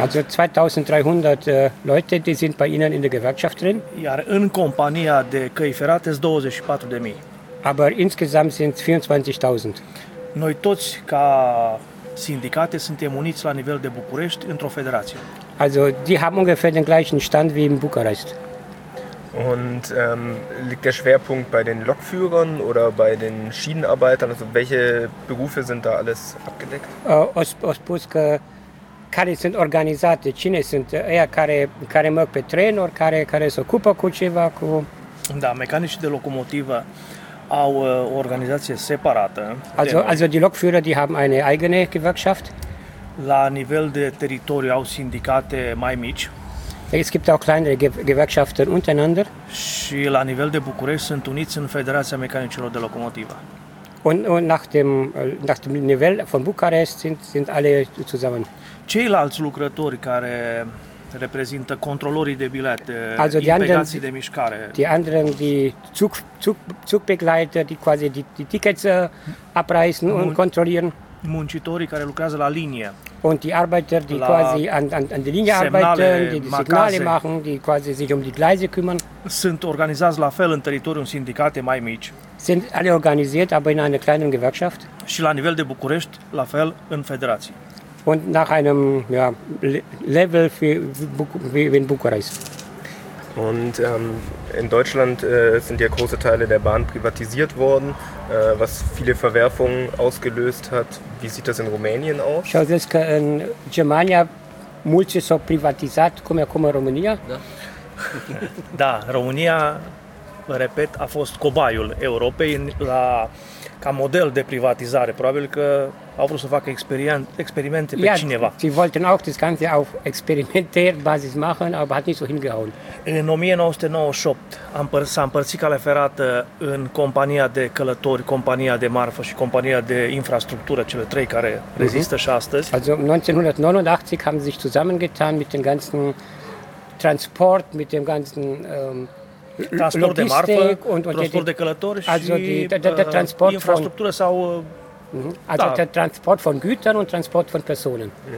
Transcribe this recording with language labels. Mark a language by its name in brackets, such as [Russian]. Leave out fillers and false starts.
[German] Also 2300 Leute, die sind bei Ihnen in der Gewerkschaft drin. [Romanian] Iar în compania de căi ferate sunt 24.000. [German] Aber insgesamt sind 24.000. [Romanian] Noi toți ca sindicate suntem uniți la nivel de București într-o federație. [German] Also, die haben ungefähr den gleichen Stand wie in Bukarest. Und liegt der Schwerpunkt bei den Lokführern oder bei den Schienenarbeitern? Also, welche Berufe sind da alles abgedeckt? [Romanian] O spus că care sunt organizate, cine sunt aia care merg pe tren, ori care se ocupă cu ceva, cu... Da, mecanicii de locomotivă au o organizație separată. [German] Also, die Lokführer, die haben eine eigene Gewerkschaft. [Romanian] La nivel de teritoriu au sindicate mai mici. [German] Es gibt auch kleinere Gewerkschaften untereinander. [Romanian] Și la nivel de București sunt uniți în Federația Mecanicilor de Locomotivă. [German] Und nach dem Nivel von Bucharest sind alle zusammen. [Romanian] Ceilalți lucrători care reprezintă controlorii de bilete, also impedanții de mișcare. [German] Die anderen, die Zugbegleiter, die quasi die Tickets abreißen und kontrollieren. [Romanian] Muncitorii care lucrează la linie. [German] Und die Arbeiter, die quasi an der Linie arbeiten, die Signale machen, die quasi sich um die Gleise kümmern. [Romanian] Sunt organizați la fel în teritoriul sindicate mai mici. [German] Sind alle organisiert, aber in einer kleinen Gewerkschaft. [Romanian] Și la nivel de București, la fel în federații. [German] Und nach einem Level wie in Bukarest. Und in Deutschland sind ja große Teile der Bahn privatisiert worden, was viele Verwerfungen ausgelöst hat. Wie sieht das in Rumänien aus? Schau, das ist [Romanian] in Germania multe s-au privatizat, cum e acum în România? Da, România, repet, a fost cobaiul Europei la ca model de privatizare. Probabil că au vrut să facă experimente pe cineva. Sie wollten auch das Ganze auf Experimentierbasis machen, aber hat nicht so hingehauen. În 1998 s-a împărțit Calea Ferată în compania de călători, compania de marfă și compania de infrastructură, cele trei care rezistă și astăzi. [German] Also 1989 haben sich zusammengetan mit dem ganzen Transport, mit dem ganzen [Romanian] transport de marfă, transport de călători și infrastructură sau... [German] Also da. Der Transport von Gütern und Transport von Personen.